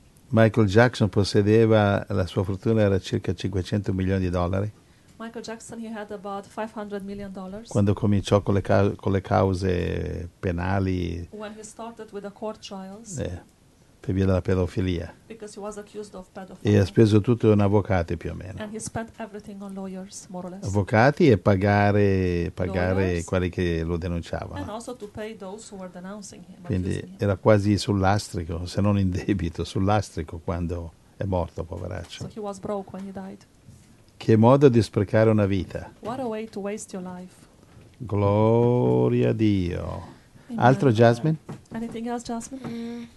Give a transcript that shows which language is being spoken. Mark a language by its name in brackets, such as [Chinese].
[Italian] Michael Jackson possedeva, la sua fortuna era circa 500 milioni di dollari. [English] Michael Jackson, he had about $500 million. [Italian] Quando cominciò con le cause penali. [English] When he started with the court trials. [Italian] Per via della pedofilia. [English] Because he was accused of pedophilia. [Italian] E ha speso tutto in avvocati più o meno. [English] And he spent everything on lawyers, more or less. [Italian] Avvocati e pagare lawyers, quelli che lo denunciavano. [English] And also to pay those who were denouncing him. [Italian] Quindi era quasi sul lastrico, se non in debito, sul lastrico quando è morto, poveraccio. [English] So he was broke when he died. [Italian] Che modo di sprecare una vita. [English] What a way to waste your life. [Italian] Gloria a Dio. Altro Jasmine? [English] Anything else, Jasmine?